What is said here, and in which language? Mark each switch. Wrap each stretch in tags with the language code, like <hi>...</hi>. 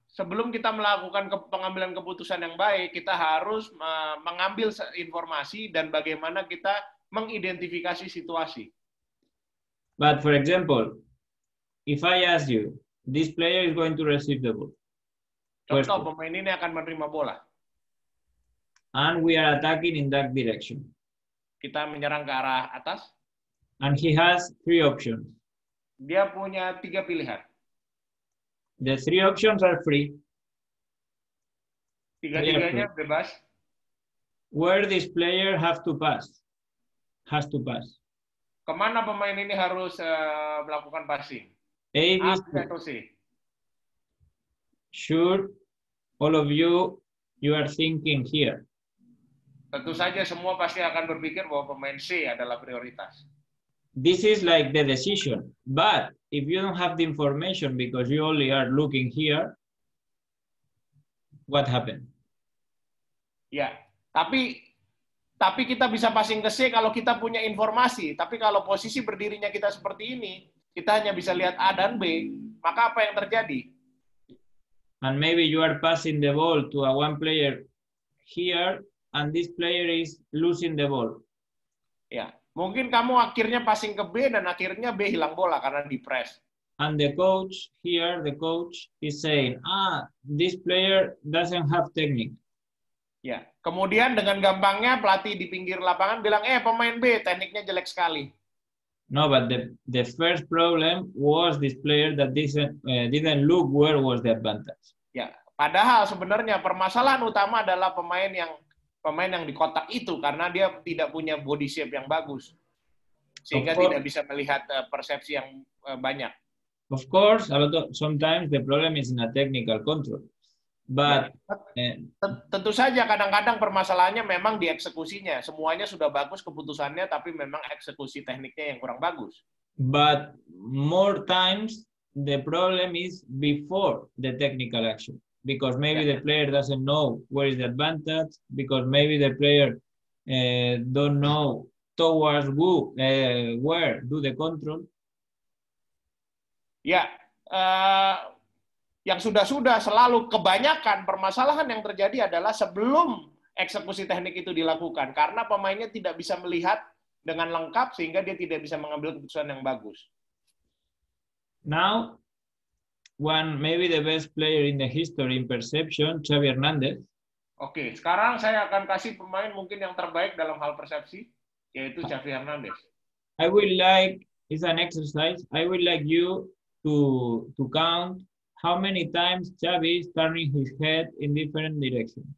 <id>Sebelum kita melakukan pengambilan keputusan yang baik, kita harus mengambil informasi dan bagaimana kita mengidentifikasi situasi.</id> <en>But for example, if I ask you, this player is going to receive the ball.</en> <id>Contoh, pemain ini akan menerima bola.</id> <en>And we are attacking in that direction.</en> <id>Kita menyerang ke arah atas.</id> <en>And he has three options.</en> <id>Dia punya tiga pilihan.</id> <en>The three options are free.</en> <id>Tiga-tiganya bebas.</id> <en>Where this player have to pass? Has to pass.</en> <id>Kemana pemain ini harus melakukan passing?</id> <en>A, B, C. Sure, all of you are thinking here.</en> <id>Tentu saja semua pasti akan berpikir bahwa pemain C adalah prioritas.</id> <en>This is like the decision. But if you don't have the information because you only are looking here, what happened?</en> <id>Ya, yeah. Tapi kita bisa passing ke C kalau kita punya informasi. Tapi kalau posisi berdirinya kita seperti ini, kita hanya bisa lihat A dan B, maka apa yang terjadi?</id> <en>And maybe you are passing the ball to a one player here, and this player is losing the ball.</en> <id>Ya, mungkin kamu akhirnya passing ke B, dan akhirnya B hilang bola karena di-press.</id> <en>And the coach is saying, ah, this player doesn't have technique.</en> <id>Ya, kemudian dengan gampangnya pelatih di pinggir lapangan bilang, pemain B tekniknya jelek sekali.</id> <en>No, but the first problem was this player that didn't look where was the advantage.</en> <id>Ya, padahal sebenarnya permasalahan utama adalah pemain yang di kotak itu karena dia tidak punya body shape yang bagus sehingga tidak bisa melihat persepsi yang banyak.</id> <en>Of course, sometimes the problem is in a technical control. But</en> <id>tentu saja kadang-kadang permasalahannya memang di eksekusinya. Semuanya sudah bagus keputusannya, tapi memang eksekusi tekniknya yang kurang bagus.</id> <en>But more times the problem is before the technical action, because maybe the player doesn't know where is the advantage, because maybe the player don't know towards who, where do the control?</en> <id>Ya, yang sudah-sudah selalu kebanyakan permasalahan yang terjadi adalah sebelum eksekusi teknik itu dilakukan, karena pemainnya tidak bisa melihat dengan lengkap sehingga dia tidak bisa mengambil keputusan yang bagus.</id> <en>Now, one maybe the best player in the history in perception, Xavi Hernandez.</en> <id>Oke, sekarang saya akan kasih pemain mungkin yang terbaik dalam hal persepsi, yaitu Xavi Hernandez.</id> <en>I would like, it's an exercise, I would like you to count how many times Xavi is turning his head in different directions.</en>